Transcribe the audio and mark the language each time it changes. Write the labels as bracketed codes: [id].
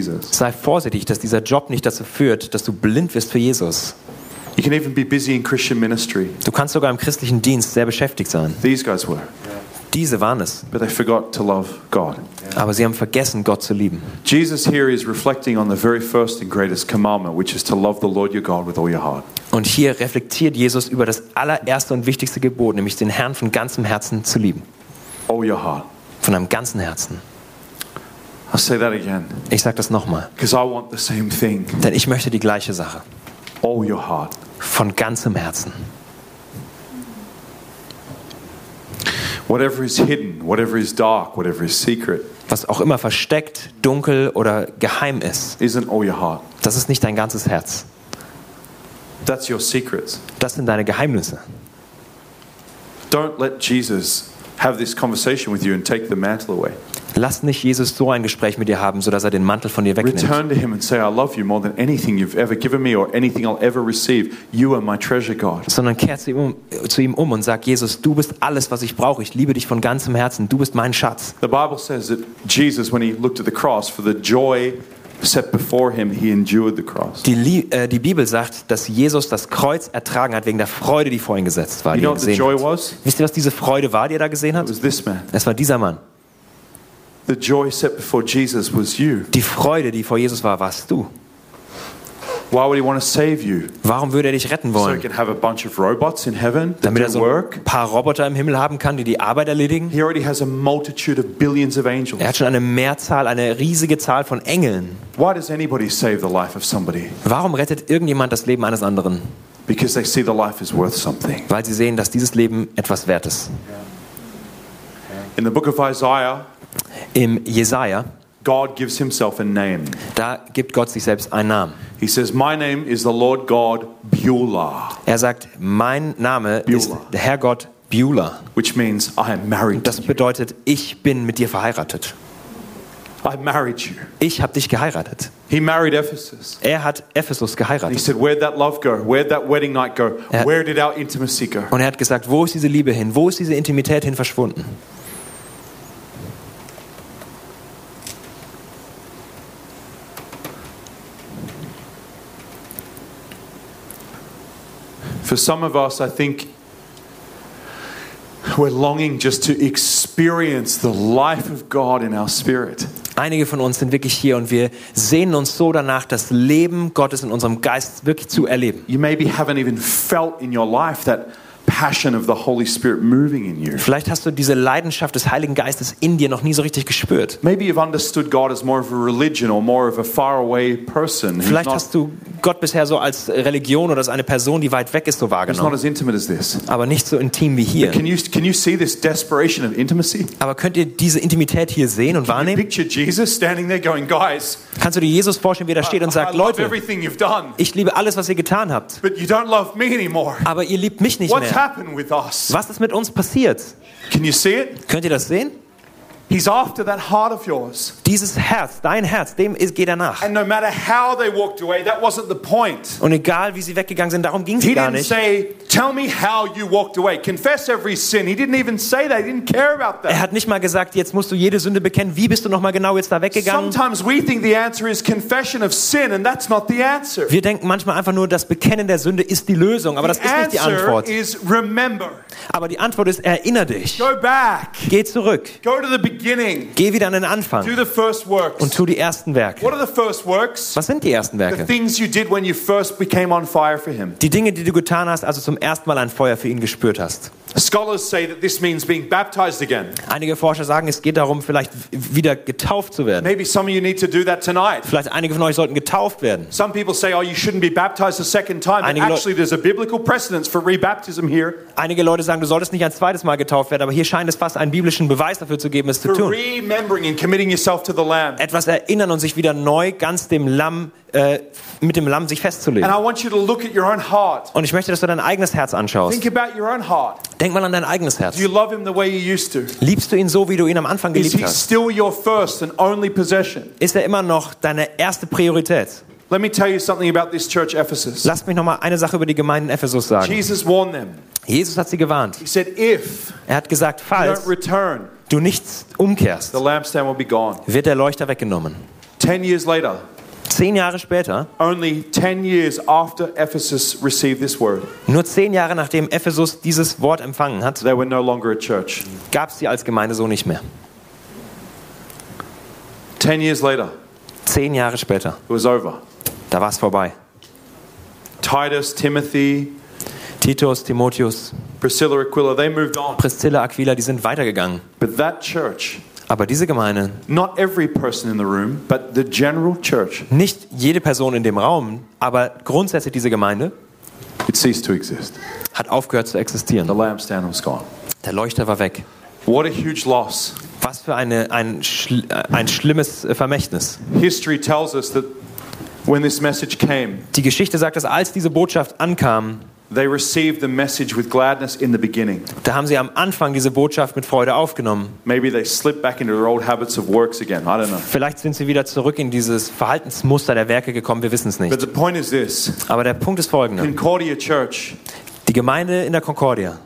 [de] Sei vorsichtig, dass dieser Job nicht dazu führt, dass du blind wirst für Jesus. [en] You can even be busy in Christian ministry. [de] Du kannst sogar im christlichen Dienst sehr beschäftigt sein. [en] These guys were. [de] Diese waren es. [en] But they forgot to love God. [de] Aber sie haben vergessen, Gott zu lieben. [en] Jesus here is reflecting on the very first and greatest commandment, which is to love the Lord your God with all your heart. [de] Und hier reflektiert Jesus über das allererste und wichtigste Gebot, nämlich den Herrn von ganzem Herzen zu lieben. [en] All your heart. [de] Von deinem ganzen Herzen. [en] I'll say that again. [de] Ich sag das nochmal. [en] Because I want the same thing. [de] Denn ich möchte die gleiche Sache. [en] All your heart. [de] Von ganzem Herzen. [en] Whatever is hidden, whatever is dark, whatever is secret. [de] Was auch immer versteckt, dunkel oder geheim ist. [en] Isn't all your heart. [de] Das ist nicht dein ganzes Herz. [en] That's your secrets. [de] Das sind deine Geheimnisse. [en] Don't let Jesus have this conversation with you and take the mantle away. [de] Lass nicht Jesus so ein Gespräch mit dir haben, so dass er den Mantel von dir wegnimmt. [en] Return to him and say, I love you more than anything you've ever given me or anything I'll ever receive. You are my treasure, God. [de] Sondern kehr zu ihm um und sag, Jesus, du bist alles, was ich brauche. Ich liebe dich von ganzem Herzen. Du bist mein Schatz. [en] The Bible says that Jesus, when he looked at the cross for the joy set before him, he endured the cross. [de] Die Bibel sagt, dass Jesus das Kreuz ertragen hat wegen der Freude, die vor ihm gesetzt war. [en] You know what the joy was? [de] Wisst ihr, was diese Freude war, die er da gesehen hat? [en] It was this man. [de] Es war dieser Mann. [en] The joy set before Jesus was you. [de] Die Freude, die vor Jesus war, warst du. [en] Why would he want to save you? [de] Warum würde er dich retten wollen? [en] So he can have a bunch of robots in heaven that [de] damit er so ein paar Roboter im Himmel haben kann, die Arbeit erledigen. [en] He already has a multitude of billions of angels. [de] Er hat schon eine Mehrzahl, eine riesige Zahl von Engeln. [en] Why does anybody save the life of somebody? [de] Warum rettet irgendjemand das Leben eines anderen? [en] Because they see the life is worth something. [de] Weil sie sehen, dass dieses Leben etwas wert ist. [en] In the book of Isaiah, [de] im Jesaja, [en] God gives himself a name. [de] Da gibt Gott sich selbst einen Namen. [en] He says, my name is the Lord God Beulah. [de] Er sagt, mein Name Beulah. Ist der Herr Gott Beulah. [en] Which means I am married. [de] Das bedeutet, ich bin mit dir verheiratet. [en] I married you. [de] Ich habe dich geheiratet. [en] He married Ephesus. [de] Er hat Ephesus geheiratet. [en] And he said, where did that love go? Where did that wedding night go? Where did our intimacy go? [de] Und er hat gesagt, wo ist diese Liebe hin? Wo ist diese Intimität hin verschwunden? [en] For some of us, I think we're longing just to experience the life of God in our spirit. [de] Einige von uns sind wirklich hier und wir sehnen uns so danach, das Leben Gottes in unserem Geist wirklich zu erleben. [en] You maybe haven't even felt in your life that passion of the Holy Spirit moving in you. [de] Vielleicht hast du diese Leidenschaft des Heiligen Geistes in dir noch nie so richtig gespürt. [en] Maybe you've understood God as more of a religion or more of a faraway person. [de] Vielleicht hast du Gott bisher so als Religion oder als eine Person, die weit weg ist, so wahrgenommen. [en] It's not as intimate as this. [de] Aber nicht so intim wie hier. [en] Can you see this desperation of intimacy? [de] Aber könnt ihr diese Intimität hier sehen und wahrnehmen? [en] Can you picture Jesus standing there going, guys? [de] Kannst du dir Jesus vorstellen, wie er da steht und sagt, Leute, ich liebe alles, was ihr getan habt. [en] But you don't love me anymore. [de] Aber ihr liebt mich nicht mehr. Was ist mit uns passiert? [en] Can you see it? [de] Könnt ihr das sehen? [en] He's after that heart of yours. [de] Dieses Herz, dein Herz, dem geht er nach. [en] And no matter how they walked away, that wasn't the point. [de] Und egal wie sie weggegangen sind, darum ging es gar nicht. [en] He didn't say, tell me how you walked away. Confess every sin. He didn't even say that. He didn't care about that. [de] Er hat nicht mal gesagt, jetzt musst du jede Sünde bekennen. Wie bist du noch mal genau jetzt da weggegangen? [en] Sometimes we think the answer is confession of sin, and that's not the answer. [de] Wir denken manchmal einfach nur, das Bekennen der Sünde ist die Lösung, aber das ist nicht die Antwort. [en] The answer is remember. [de] Aber die Antwort ist, erinnere dich. [en] Go back. [de] Geh zurück. [en] Go to the beginning. [de] Geh wieder an den Anfang. [en] Do the first works. [de] Und tu die ersten Werke. [en] What are the first works? [de] Was sind die ersten Werke? [en] The things you did when you first became on fire for him. [de] Die Dinge, die du getan hast, also zum ersten Mal ein Feuer für ihn gespürt hast. [en] Scholars say that this means being baptized again. [de] Einige Forscher sagen, es geht darum, vielleicht wieder getauft zu werden. [en] Maybe some of you need to do that tonight. [de] Vielleicht einige von euch sollten getauft werden. [en] Some people say, oh, you shouldn't be baptized a second time. Actually, there's a biblical precedence for rebaptism here. [de] Einige Leute sagen, du solltest nicht ein zweites Mal getauft werden, aber hier scheint es fast einen biblischen Beweis dafür zu geben, es zu tun. [en] For remembering and committing yourself to the Lamb. [de] Etwas erinnern und sich wieder neu ganz dem Lamm mit dem Lamm sich festzulegen. [en] And I want you to look at your own heart. [de] Und ich möchte, dass du dein eigenes Herz anschaust. [en] Think about your own heart. [de] Denk mal an dein eigenes Herz. [en] Do you love him the way you used to? [de] Liebst du ihn so, wie du ihn am Anfang geliebt hast? [en] Is he still your first and only possession? [de] Ist immer noch deine erste Priorität? [en] Let me tell you something about this church, Ephesus. [de] Lass mich noch mal eine Sache über die Gemeinde in Ephesus sagen. [en] Jesus warned them. [de] Jesus hat sie gewarnt. [en] He said, if [de] er hat gesagt, falls [en] you don't return, [de] du nicht umkehrst, [en] the lampstand will be gone. [de] Wird der Leuchter weggenommen. [en] 10 years later. [de] 10 Jahre später. [en] Only 10 years after Ephesus received this word. [de] Nur 10 Jahre nachdem Ephesus dieses Wort empfangen hat. [en] They were no longer a church. [de] Gab's sie als Gemeinde so nicht mehr. [en] 10 years later. [de] 10 Jahre später. [en] It was over. [de] Da war's vorbei. [en] Titus, Timothy. [de] Titus, Timotheus. [en] Priscilla, Aquila. They moved on. [de] Priscilla, Aquila. Die sind weitergegangen. [en] But that church. [de] Aber diese Gemeinde, [en] not every person in the room, but the general church, [de] nicht jede Person in dem Raum, aber grundsätzlich diese Gemeinde, [en] it ceased to exist. [de] Hat aufgehört zu existieren. [en] The lampstand was gone. [de] Der Leuchter war weg. [en] What a huge loss. [de] Was für ein schlimmes Vermächtnis. [en] History tells us that when this message came, [de] die Geschichte sagt, dass als diese Botschaft ankam, [en] they received the message with gladness in the beginning. [de] Da haben sie am Anfang diese Botschaft mit Freude aufgenommen. [en] Maybe they slipped back into their old habits of works again. I don't know. [de] Vielleicht sind sie wieder zurück in dieses Verhaltensmuster der Werke gekommen. Wir wissen es nicht. But the point is this. Aber der Punkt ist folgender. [en] Concordia Church. [de] Die Gemeinde in der Concordia.